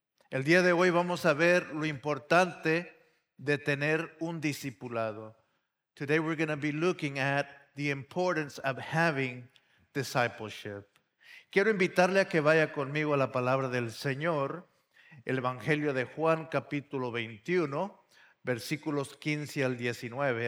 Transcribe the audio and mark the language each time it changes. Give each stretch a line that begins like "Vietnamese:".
Spanish: El día de hoy vamos a ver lo importante de tener un discipulado.
English: Today we're going to be looking at the importance of having discipleship.
Spanish: Quiero invitarle a que vaya conmigo a la palabra del Señor, el Evangelio de Juan, capítulo 21, versículos 15 al 19.